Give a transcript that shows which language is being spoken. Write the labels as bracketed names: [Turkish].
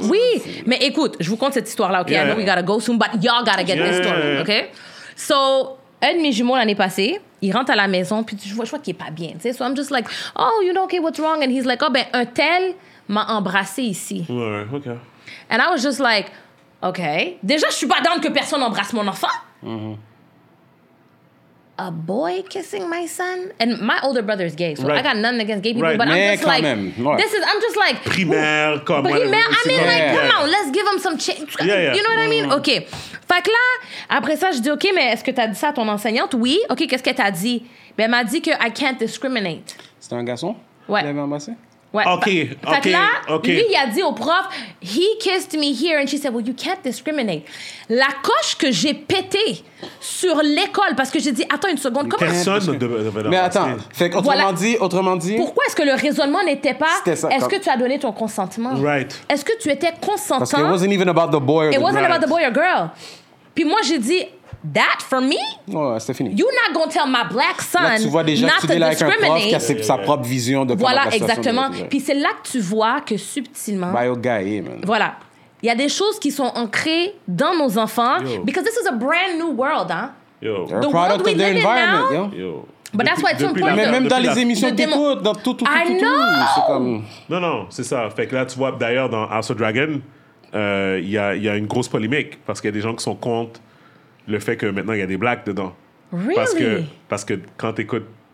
[French] Oui, mais écoute, je vous conte cette histoire-là, OK? Yeah. [English] I know we gotta go soon, but y'all gotta get this story, OK? [French] So, un de mes jumeaux l'année passée... Il rentre à la maison, puis je vois qu'il est pas bien. T'sais? [English] So I'm just like, oh, you know, okay, what's wrong? And he's like, oh, [French] ben, un tel m'a embrassé ici. Ouais, okay. [English] And I was just like, okay. [French] Déjà, je suis pas down que personne embrasse mon enfant. Mm-hmm. [English] A boy kissing my son? And my older brother is gay, so right. I got nothing against gay people, right. But mais I'm just like, this is, I'm just like, [French] primaire, comme [English] primaire, I mean, like, come on, let's give him some change. Yeah, yeah. You know what I mean? Okay. [French] Fait que là, après ça, je dis, OK, mais est-ce que t'as dit ça à ton enseignante? Oui. OK, qu'est-ce qu'elle t'a dit? Ben, elle m'a dit que [English] I can't discriminate. [French] C'était un garçon? Ouais. Il avait embrassé? Ouais. OK, OK, fait que là, [English] okay. [French] Lui, il a dit au prof, [English] he kissed me here, and she said, well, you can't discriminate. [French] La coche que j'ai pétée sur l'école, parce que j'ai dit, attends une seconde, comment... Personne devait... Mais attends, fait que autrement dit... Pourquoi est-ce que le raisonnement n'était pas... C'était ça. Est-ce que tu as donné ton consentement? [English] Right. [French] Est-ce que tu étais consentant? Parce que [English] it wasn't even about the boy or the girl. It wasn't about the boy or girl. [French] Puis moi, j'ai dit, [English] that for me? [French] Ouais, c'est fini. [English] You're not going to tell my black son [French] là, tu vois déjà [English] not [French] que tu es là avec un prof qui a sa propre vision de... Voilà, exactement. Puis c'est là que tu vois que subtilement... [English] Bio guy, man. [French] Voilà. Il y a des choses qui sont ancrées dans nos enfants. [English] Yo. Because this is a brand new world, hein? Yo. The product world we live in now. Yo. But that's why it's important. [French] Même depuis dans les émissions de t'écoute, dans tout. [English] I know! [French] C'est comme... Non, c'est ça. Fait que là, tu vois, d'ailleurs, dans House of Dragon, il y a une grosse polémique parce qu'il y a des gens qui sont contre le fait que maintenant il y a des blacks dedans. [English] Really? [French] Parce que quand t'écoutes